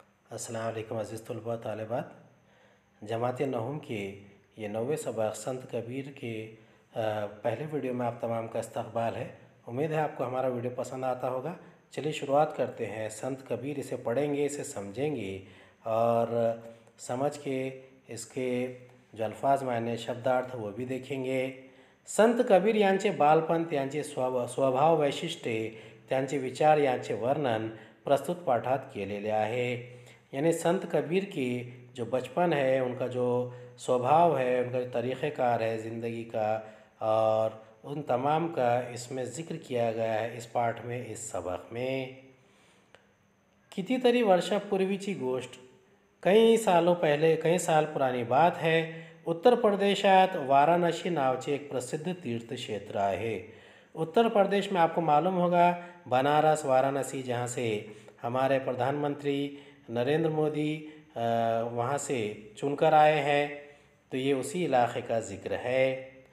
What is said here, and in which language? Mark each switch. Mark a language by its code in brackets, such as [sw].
[hi] अस्सलाम वालेकुम अज़ीज़ तुलबा तालिबात, जमात नहुम के ये नौवें सबक संत कबीर के पहले वीडियो में आप तमाम का इस्तकबाल है। उम्मीद है आपको हमारा वीडियो पसंद आता होगा। चलिए शुरुआत करते हैं संत कबीर, इसे पढ़ेंगे, इसे समझेंगे और समझ के इसके जो अल्फाज मायने शब्दार्थ वो भी देखेंगे। [mr] संत कबीर यांचे बालपण, त्यांचे स्वभाव वैशिष्ट्ये, त्यांचे विचार यांचे वर्णन प्रस्तुत पाठात केलेले आहे। [hi] यानी संत कबीर की जो बचपन है, उनका जो स्वभाव है, उनका जो तरीक़ेकार है ज़िंदगी का, और उन तमाम का इसमें जिक्र किया गया है इस पाठ में, इस सबक में। [mr] कितीतरी वर्षापूर्वी की गोष्ट, [hi] कई सालों पहले, कई साल पुरानी बात है। [mr] उत्तर प्रदेशात वाराणसी नावचे एक प्रसिद्ध तीर्थ क्षेत्र आहे। [hi] उत्तर प्रदेश में आपको मालूम होगा बनारस वाराणसी, जहाँ से हमारे प्रधानमंत्री नरेंद्र मोदी वहाँ से चुनकर आए हैं, तो ये उसी इलाके का जिक्र है।